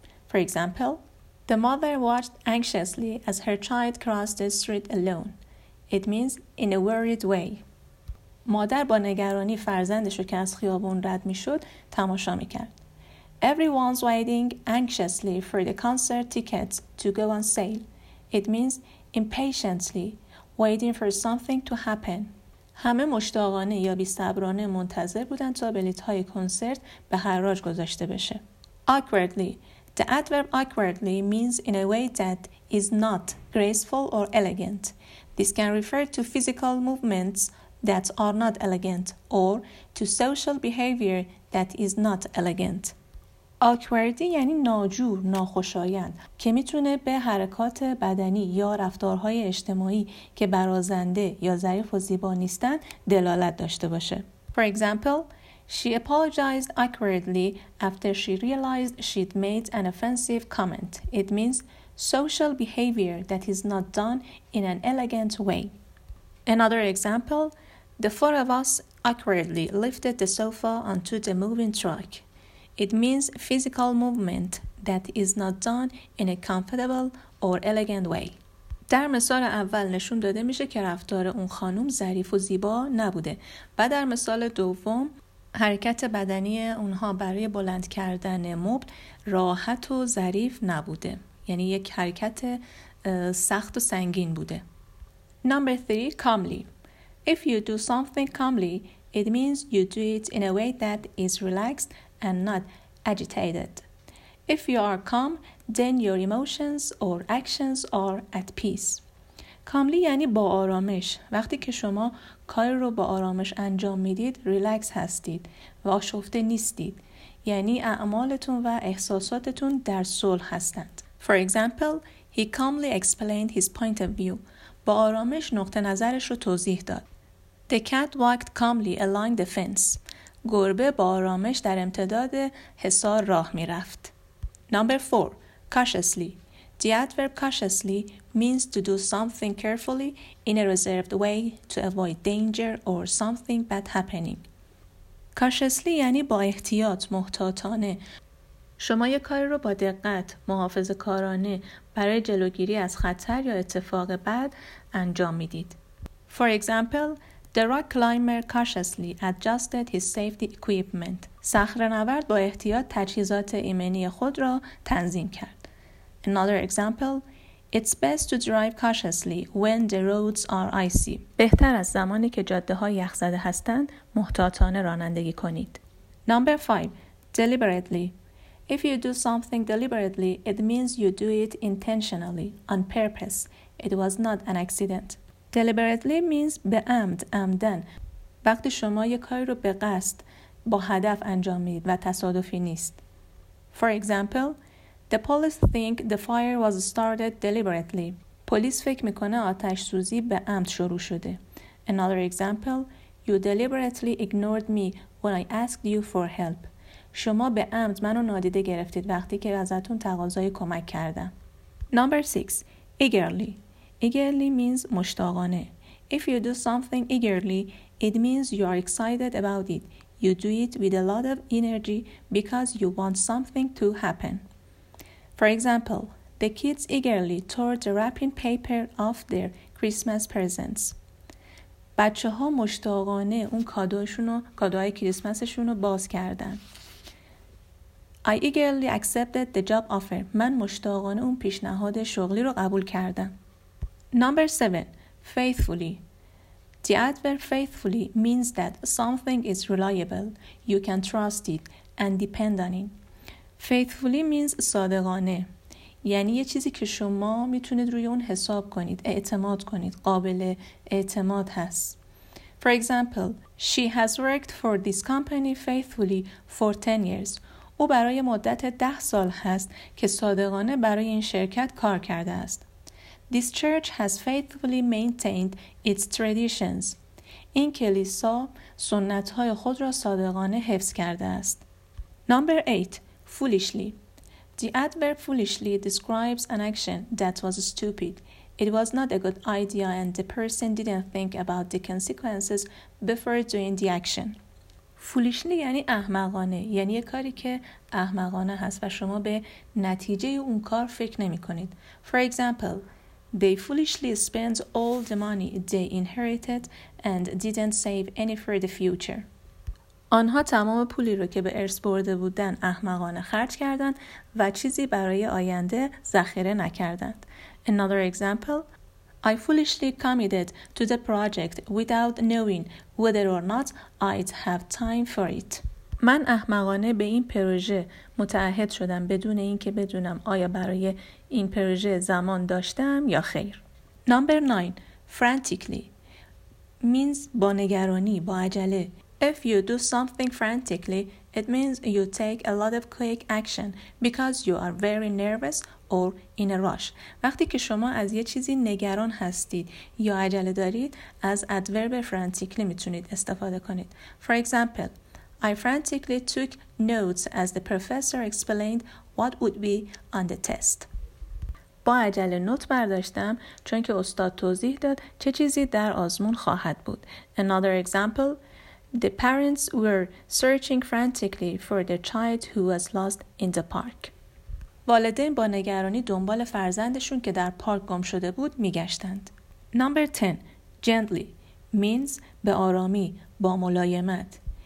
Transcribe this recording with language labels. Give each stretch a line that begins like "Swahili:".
English: For example, the mother watched anxiously as her child crossed the street alone. It means in a worried way.
Persian: مادر با نگرانی فرزندش رو که از خیابون رد میشد تماشا میکرد.
English: Everyone's waiting anxiously for the concert tickets to go on sale. It means impatiently waiting for something to happen.
Persian: همه مشتاقانه یا بی‌صبرانه منتظر بودند تا بلیط‌های کنسرت به حراج گذاشته بشه.
English: Awkwardly. The adverb awkwardly means in a way that is not graceful or elegant. This can refer to physical movements that are not elegant or to social behavior that is not elegant.
Persian: Awkwardly یعنی ناجور، ناخوشایند که میتونه به حرکات بدنی یا رفتارهای اجتماعی که برازنده یا ظریف و زیبا نیستن دلالت داشته باشه.
English: For example, she apologized awkwardly after she realized she'd made an offensive comment. It means social behavior that is not done in an elegant way. Another example, the four of us awkwardly lifted the sofa onto the moving truck. It means physical movement that is not done in a comfortable or elegant way.
Persian: در مثال اول نشون داده میشه که رفتار اون خانم ظریف و زیبا نبوده و در مثال دوم حرکت بدنی اونها برای بلند کردن مبل راحت و ظریف نبوده، یعنی یک حرکت سخت و سنگین بوده.
English: Number 3, calmly. If you do something calmly, it means you do it in a way that is relaxed and not agitated. If you are calm, then your emotions or actions are at peace.
Persian: کاملی یعنی با آرامش. وقتی که شما کار رو با آرامش انجام میدید، ریلکس هستید و آشفته نیستید. یعنی اعمالتون و احساساتتون در صلح هستند.
English: For example, he calmly explained his point of view.
Persian: با آرامش نقطه نظرش رو توضیح داد.
English: The cat walked calmly along the fence.
Persian: گربه با آرامش در امتداد حصار راه میرفت.
English: Number 4. Cautiously. The adverb cautiously means to do something carefully in a reserved way to avoid danger or something bad happening.
Persian: Cautiously یعنی با احتیاط، محتاطانه. شما یک کار رو با دقت، محافظه‌کارانه برای جلوگیری از خطر یا اتفاق بد انجام میدید.
English: For example, the rock climber cautiously adjusted his safety equipment.
Persian: صخره‌نورد با احتیاط تجهیزات ایمنی خود را تنظیم کرد.
English: Another example, it's best to drive cautiously when the roads are icy.
Persian: بهتر از زمانی که جاده ها یخ زده هستند محتاطانه رانندگی کنید.
English: Number 5, deliberately. If you do something deliberately, it means you do it intentionally, on purpose. It was not an accident. Deliberately means
Persian: به عمد، عمدن. وقتی شما یک کاری رو به قصد، با هدف انجام میدید و تصادفی نیست.
English: For example, the police think the fire was started deliberately.
Persian: پلیس فکر میکنه آتش سوزی به عمد شروع شده.
English: Another example, you deliberately ignored me when I asked you for help.
Persian: شما به عمد منو نادیده گرفتید وقتی که ازتون تقاضای کمک کردم.
English: Number 6, eagerly. Eagerly means
Persian: مشتاقانه.
English: If you do something eagerly, it means you are excited about it. You do it with a lot of energy because you want something to happen. For example, the kids eagerly tore the wrapping paper off their Christmas presents.
Persian: بچه ها مشتاقانه اون کادوهای کریسمسشون رو باز کردن.
English: I eagerly accepted the job offer.
Persian: من مشتاقانه اون پیشنهاد شغلی رو قبول کردم.
English: Number 7. Faithfully. The adverb faithfully means that something is reliable, you can trust it and depend on it. Faithfully means
Persian: صادقانه، یعنی یه چیزی که شما میتونید روی اون حساب کنید، اعتماد کنید، قابل اعتماد هست.
English: For example, she has worked for this company faithfully for 10 years.
Persian: او برای مدت 10 سال هست که صادقانه برای این شرکت کار کرده است.
English: This church has faithfully maintained its traditions.
Persian: این کلیسا سنت‌های خود را صادقانه حفظ کرده است.
English: Number 8. Foolishly. The adverb foolishly describes an action that was stupid. It was not a good idea and the person didn't think about the consequences before doing the action.
Persian: فولیشلی یعنی احمقانه، یعنی یه کاری که احمقانه هست و شما به نتیجه اون کار فکر نمی کنید.
English: For example, they foolishly spent all the money they inherited and didn't save any for the future.
Persian: آنها تمام پولی رو که به ارث برده بودن احمقانه خرج کردند و چیزی برای آینده ذخیره نکردند.
English: Another example, I foolishly committed to the project without knowing whether or not I'd have time for it.
Persian: من احمقانه به این پروژه متعهد شدم بدون اینکه بدونم آیا برای این پروژه زمان داشتم یا خیر.
English: Number 9, frantically means
Persian: با نگرانی، با عجله.
English: If you do something frantically, it means you take a lot of quick action because you are very nervous or in a rush.
Persian: وقتی که شما از یه چیزی نگران هستید یا عجله دارید، از
English: adverb frantically
Persian: میتونید استفاده کنید.
English: For example, I frantically took notes as the professor explained what would be on the test.
Persian: با عجله نوت برداشتم چون که استاد توضیح داد چه چیزی در آزمون خواهد بود.
English: Another example, the parents were searching frantically for their child who was lost in the park.
Persian: والدین با نگرانی دنبال فرزندشون که در پارک گم شده بود میگشتند.
English: Number 10, gently means
Persian: به آرامی، با ملایمت.